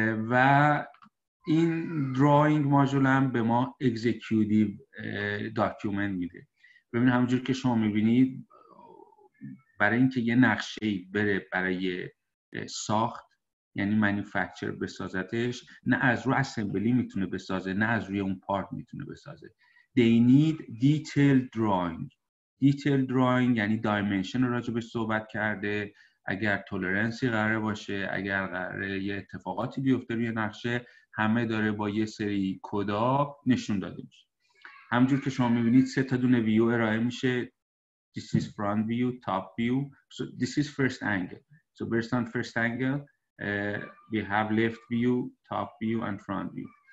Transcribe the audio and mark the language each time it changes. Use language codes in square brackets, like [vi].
[fa] و این دراینگ ماژول هم به ما اگزیکیوتیو داکیومنت میده. ببین همونجور که شما میبینید برای اینکه یه نقشه بره برای ساخت، یعنی مانیفکتچر بسازتش، نه از روی اسمبلی میتونه بسازه نه از روی اون پارت میتونه بسازه. [en] They need detailed drawing. [fa] Detailed drawing یعنی دایمنشن راجع به صحبت کرده، اگر تولرنسی قراره باشه، اگر قراره یه اتفاقاتی بیفته روی نقشه، همه داره با یه سری کدا نشون داده میشه. همجور که شما میبینید سه تا دونه ویو ارائه میشه. [en] This is front view, top view. So this is first angle. So based on first angle, we have left view, top view and front view.